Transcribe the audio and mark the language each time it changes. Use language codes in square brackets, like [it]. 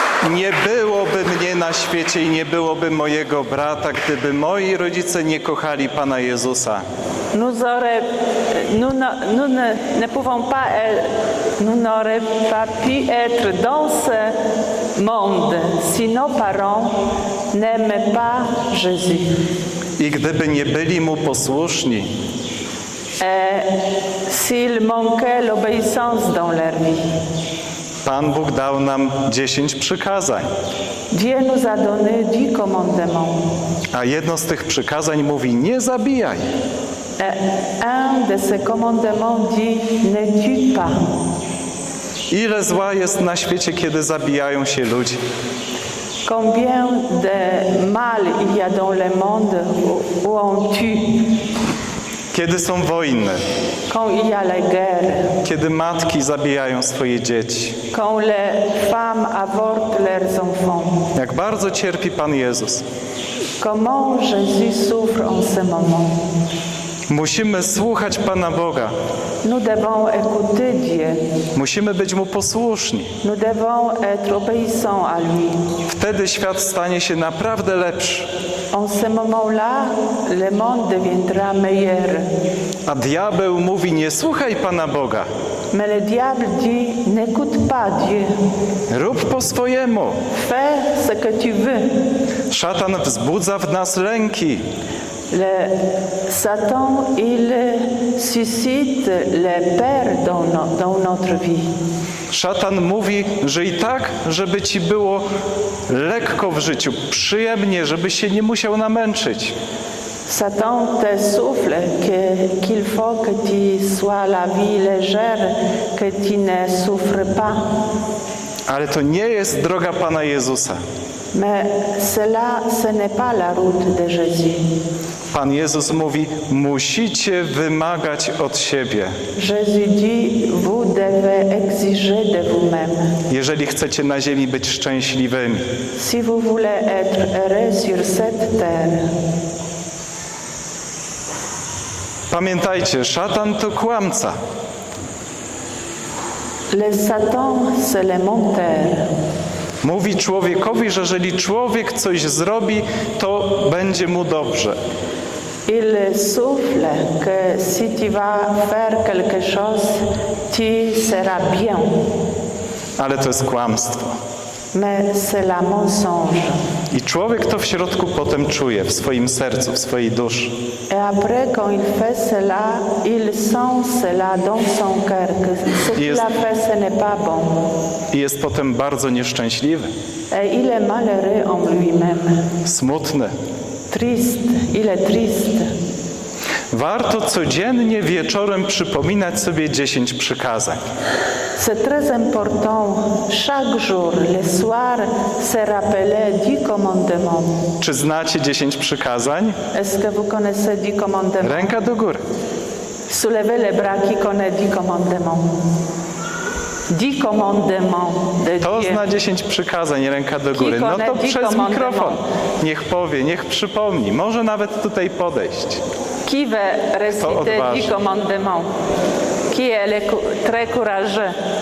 [pl] Nie byłoby mnie na świecie i nie byłoby mojego brata, gdyby moi rodzice nie kochali Pana Jezusa. [fr] Nous n'aurions pas pu être dans ce monde si nos parents n'aimaient pas Jésus. [pl] I gdyby nie byli mu posłuszni. [fr] S'il manquait l'obéissance dans leur vie. [pl] Pan Bóg dał nam 10 przykazań. [fr] Dieu nous a donné 10 commandements. [pl] A jedno z tych przykazań mówi: nie zabijaj. [fr] Un de ces commandements dit ne tue pas. [pl] Ile zła jest na świecie, kiedy zabijają się ludzie? [fr] Combien de mal il y a dans le monde où on tue? [pl] Kiedy są wojny? [fr] Quand il y a la guerre. [pl] Kiedy matki zabijają swoje dzieci? [fr] Quand les femmes avortent leurs enfants. [pl] Jak bardzo cierpi Pan Jezus? [fr] Comment Jésus souffre en ce moment? [pl] Musimy słuchać Pana Boga. [fr] Nous devons écouter Dieu. [pl] Musimy być Mu posłuszni. [fr] Nous devons être obéissants à lui. [pl] Wtedy świat stanie się naprawdę lepszy. [fr] En ce moment-là, le monde deviendra meilleur. [pl] A diabeł mówi: nie słuchaj Pana Boga. [fr] Mais le diable dit, n'écoute pas Dieu. [pl] Rób po swojemu. [fr] Fais ce que tu veux. [pl] Szatan wzbudza w nas lęki. [fr] Le Satan, il suscite les peurs dans notre vie. [pl] Szatan mówi, że i tak, żeby ci było lekko w życiu, przyjemnie, żebyś się nie musiał namęczyć. [fr] Satan te souffle qu'il faut que tu sois la vie légère, que tu ne souffres pas. [pl] Ale to nie jest droga Pana Jezusa. [fr] Mais cela, ce n'est pas la route de Jésus. [pl] Pan Jezus mówi, musicie wymagać od siebie. [fr] Jésus dit, vous devez exiger de vous-même. [pl] Jeżeli chcecie na ziemi być szczęśliwymi. [fr] Si vous voulez être heureux sur cette terre. [pl] Pamiętajcie, szatan to kłamca. [fr] Le Satan, c'est le menteur. [pl] Mówi człowiekowi, że jeżeli człowiek coś zrobi, to będzie mu dobrze. [fr] Il souffle que si tu vas faire quelque chose, tu seras bien. [pl] Ale to jest kłamstwo. [fr] Mais c'est la mensonge. [pl] I człowiek to w środku potem czuje, w swoim sercu, w swojej duszy. [fr] Et après, quand il fait cela, il sent cela dans son cœur, que ce qu'il a fait, ce n'est pas bon. [pl] I jest potem bardzo nieszczęśliwy. [fr] Et il est malheureux en lui-même. [pl] Smutny. [fr] Triste, il est triste. [pl] Warto codziennie wieczorem przypominać sobie 10 przykazań. [fr] C'est très important chaque jour, le soir, se rappeler 10 commandements. [pl] Czy znacie 10 przykazań? [fr] Est-ce que vous connaissez 10 commandements? [pl] Ręka do góry. [fr] Soulevez les bras qui connaît 10 commandements. 10 commandements de Dieu. [pl] To zna 10 przykazań, ręka do góry. No to przez mikrofon. Niech powie, niech przypomni. Może nawet tutaj podejść. [fr] Qui va réciter 10 commandements? Qui est le très courageux?